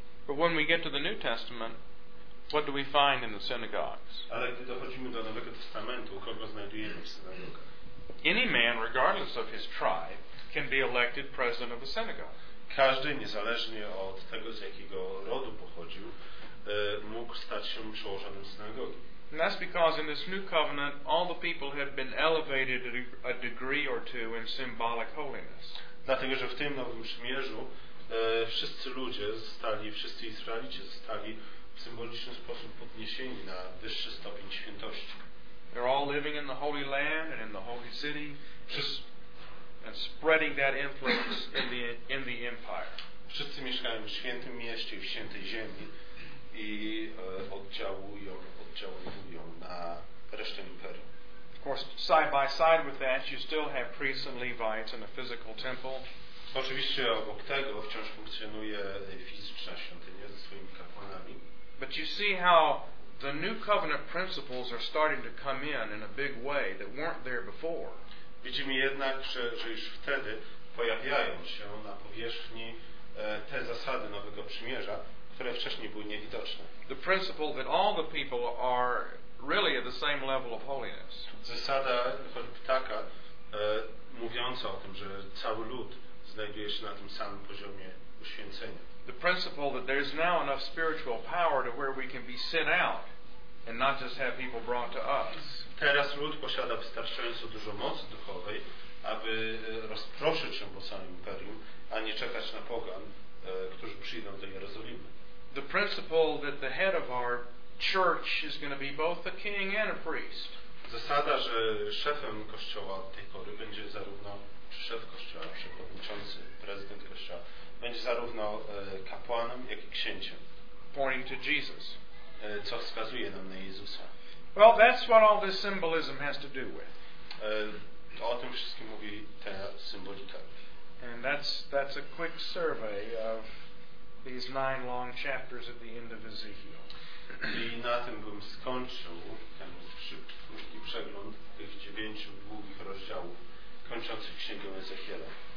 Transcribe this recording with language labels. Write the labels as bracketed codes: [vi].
[en] But when we get to the New Testament, what do we find in the synagogues? [pl] Ale gdy dochodzimy do Nowego Testamentu, kogo znajdujemy w synagogach? [en] Any man, regardless of his tribe, can be elected president of a synagogue. [pl] Każdy, niezależnie od tego, z jakiego rodu pochodził, mógł stać się przełożonym synagogi. [en] And that's because in this new covenant, all the people had been elevated a degree or two in symbolic holiness. [pl] Dlatego, że w tym nowym przymierzu wszyscy Izraelici zostali w symboliczny sposób podniesieni na wyższy stopień świętości. [en] They're all living in the Holy Land and in the Holy City, and spreading that influence in the empire. [pl] Wszyscy mieszkają w świętym mieście i w świętej ziemi i oddziałują na resztę imperium. [en] Of course, side by side with that, you still have priests and Levites in a physical temple. [pl] Oczywiście obok tego wciąż funkcjonuje fizyczna świątynia ze swoimi kapłanami. [en] But you see how the new covenant principles are starting to come in a big way that weren't there before. [pl] Widzimy jednak, że już wtedy pojawiają się na powierzchni te zasady nowego przymierza, które wcześniej były niewidoczne. [en] The principle that all the people are really at the same level of holiness. [pl] Zasada choćby taka, mówiąca o tym, że cały lud znajduje się na tym samym poziomie uświęcenia. [en] The principle that there's now enough spiritual power to where we can be sent out and not just have people brought to us. [pl] Teraz lud posiada wystarczająco dużo mocy duchowej, aby rozproszyć się po całym imperium, a nie czekać na pogan, którzy przyjdą do Jerozolimy. [en] The principle that the head of our church is going to be both a king and a priest. [pl] Zasada, że szefem kościoła od tej pory będzie zarówno czy szef kościoła, przewodniczący, prezydent kościoła, będzie zarówno kapłanem, jak i księciem. [en] Pointing to Jesus. [pl] Co wskazuje nam na Jezusa. [en] Well, that's what all this symbolism has to do with. [pl] O tym wszystkim mówi ta symbolika. [en] And that's a quick survey of these 9 long chapters at the end of Ezekiel. [pl] I na tym bym skończył ten szybki przegląd tych 9 długich rozdziałów kończących księgę Ezechiela.